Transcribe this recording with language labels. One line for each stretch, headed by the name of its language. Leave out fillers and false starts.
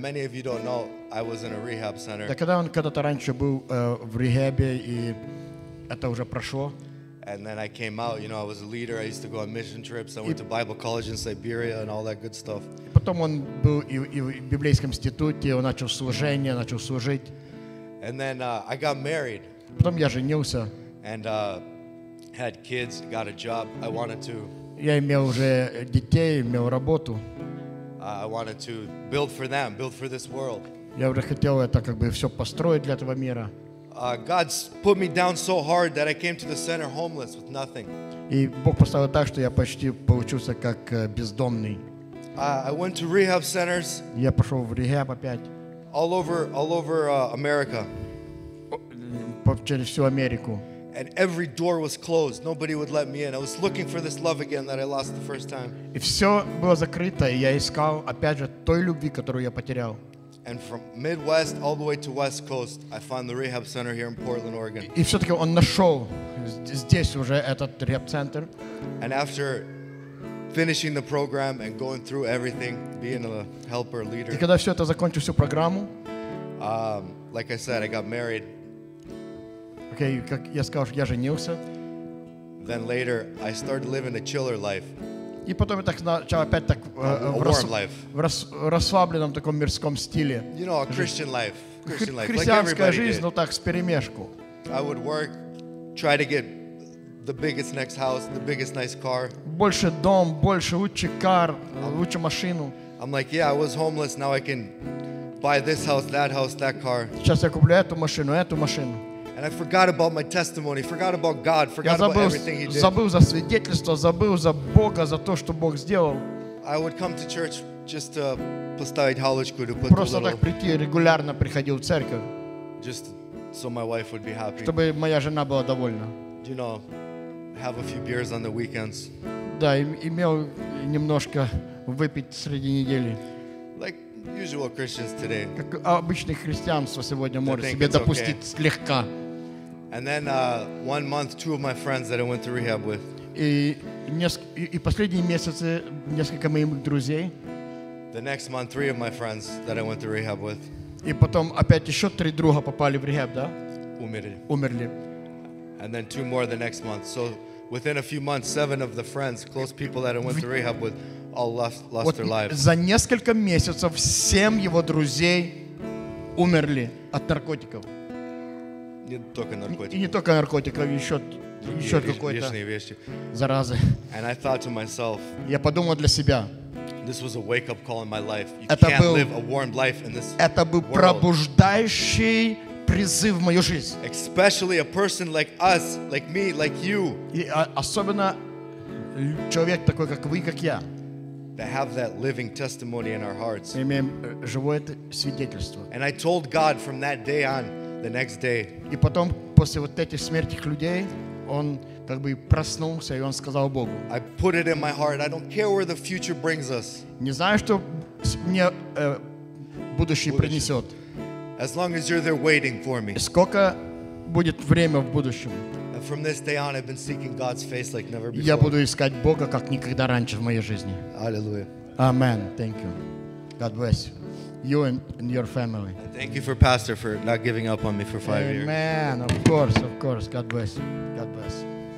English: Many of you don't know I was in a rehab center.
Russian: Да когда он когда-то раньше был в рехабе, и это уже прошло.
English: And then I came out, you know, I was a leader. I used to go on mission trips. I went to Bible college in Siberia and all that good stuff.
Russian: Потом он был и в библейском институте, он начал служение, начал служить.
English: And then I got married.
Russian: Потом я женился.
English: And had kids, got a job. I wanted to.
Russian: Я имел уже детей, имел работу.
English: I wanted to build for them, build for this world.
Russian: Я уже хотел это как бы все построить для этого мира.
English: God put me down so hard that I came to the center homeless with nothing.
Russian: И Бог поставил так, что я почти получился как бездомный.
English: I went to rehab centers.
Russian: Я пошел в рехаб опять.
English: All over America.
Russian: Через всю Америку.
English: And every door was closed. Nobody would let me in. I was looking for this love again that I lost the first time.
Russian: И все было закрыто, и я искал опять же той любви, которую я потерял.
English: And from Midwest all the way to West Coast, I found the rehab center here in Portland, Oregon.
Russian: И все-таки он нашел здесь уже этот rehab center.
English: And after finishing the program and going through everything, being a helper, leader.
Russian: И когда все это закончил всю программу,
English: like I said, I got married.
Russian: Okay, как я сказал, что я женился.
English: Then later, I started living a chiller life.
Russian: И потом я так начал опять так в расслабленном таком мирском стиле.
English: You know, a Christian life.
Russian: Христианская жизнь, но так, с перемешку.
English: I would work, try to get the biggest next house, the biggest nice car.
Russian: Больше дом, больше лучший кар, лучше машину.
English: I'm like, yeah, I was homeless, now I can buy this house, that car.
Russian: Сейчас я куплю эту машину.
English: And I forgot about my testimony, forgot about God, forgot about everything he did.
Russian: Забыл за свидетельство, забыл за Бога, за то, что Бог сделал.
English: I would come to church just to
Russian: поставить галочку,
English: to put
Russian: просто так прийти, регулярно приходил в церковь.
English: Just so my wife would be happy.
Russian: Чтобы моя жена была довольна.
English: You know, have a few beers on the weekends.
Russian: Да, имел немножко выпить среди недели.
English: Like usual Christians today.
Russian: Как обычное христианство сегодня может себе допустить слегка.
English: And then one month, two of my friends that I went to rehab with.
Russian: И последние месяцы несколько моих друзей.
English: The next month, three of my friends that I went to rehab with.
Russian: И потом опять еще три друга попали в rehab, да? Умерли.
English: And then two more the next month. So within a few months, seven of the friends, close people that I went to rehab with, all lost
Russian: вот
English: their lives.
Russian: За несколько месяцев семь его друзей умерли от наркотиков. Не только наркотиков, еще какой-то вещи. Заразы.
English: And I thought to myself,
Russian: я подумал для себя.
English: This was a wake-up call in my life. You can't live a warm life in this.
Russian: Это был пробуждающий призыв в мою жизнь.
English: Especially a person like us, like me, like you.
Russian: И особенно человек такой, как вы, как я.
English: to have that living testimony in our hearts.
Russian: Мы имеем живое свидетельство.
English: And I told God from that day on, the next day.
Russian: И потом после вот этих смертных людей он как бы проснулся и он сказал Богу.
English: I put it in my heart. I don't care where the future brings us.
Russian: Не знаю, что мне будущее принесет.
English: As long as you're there waiting for me.
Russian: Сколько будет время в будущем?
English: From this day on, I've been seeking God's face like never before.
Russian: Я буду искать Бога как никогда раньше в моей жизни.
English: Hallelujah. Amen. Thank you. God bless you, you and your family. And thank you for Pastor for not giving up on me for five Amen. Years. Amen. Of course, God bless you. God bless you.